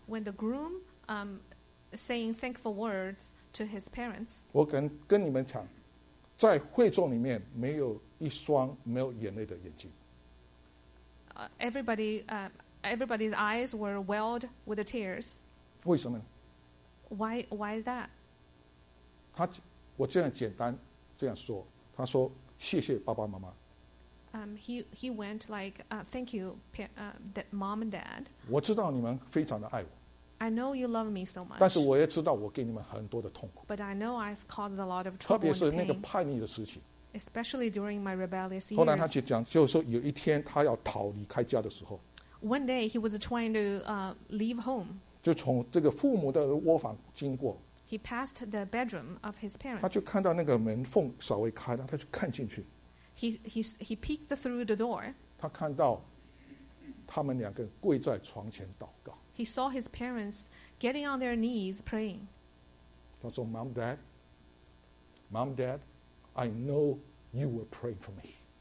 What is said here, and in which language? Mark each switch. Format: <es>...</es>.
<en>when the groom saying thankful words to his parents,</en> <zh>我跟你们讲, 在会众里面没有一双没有眼泪的眼睛。</zh> <en>Everybody's eyes were welled with the tears.</en> <zh>为什么呢?</zh> <en>Why is that?</en> <zh>他, 我这样简单这样说, 他说, 谢谢爸爸妈妈。</zh> <en>He went like, thank you, mom and dad.</en> <zh>我知道你们非常的爱我。</zh> <en>I know you love me so much.</en> <zh>但是我也知道我给你们很多的痛苦。</zh> <en>But I know I've caused a lot of trouble and pain.</en> <zh>特别是那个叛逆的事情。</zh> <en>Especially during my rebellious years.</en> <zh>后来他就讲，就是说有一天他要逃离开家的时候，</zh> <en>one day he was trying to leave home.</en> <zh>就从这个父母的窝房经过，</zh> <en>he passed the bedroom of his parents.</en> <zh>他就看到那个门缝稍微开了， 他就看进去，</zh> <en>he peeked through the door.</en> <zh>他看到他们两个跪在床前祷告，</zh> <en>he saw his parents getting on their knees praying.</en> <zh>他说，</zh> <en>Mom, Dad, I know you were praying for me.</en>